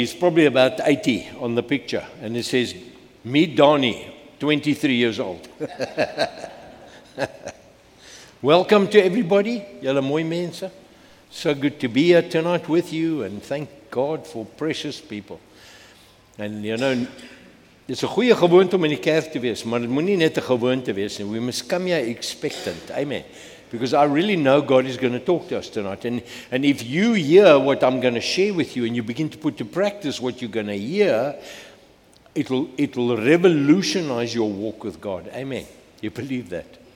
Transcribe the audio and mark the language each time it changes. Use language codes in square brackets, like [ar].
[en] He's probably about 80 on the picture. And it says, meet Donnie, 23 years old. Welcome to everybody. Yalla [af] mooi mense. [en] So good to be here tonight with you, and thank God for precious people. And you know, it's a [af] goeie gewoonte om in die kerk te wees, maar het moet nie net een gewoonte wees. [en] We must come here expectant. Amen. Because I really know God is going to talk to us tonight. And if you hear what I'm going to share with you and you begin to put to practice what you're going to hear, it'll revolutionize your walk with God. Amen. You believe that?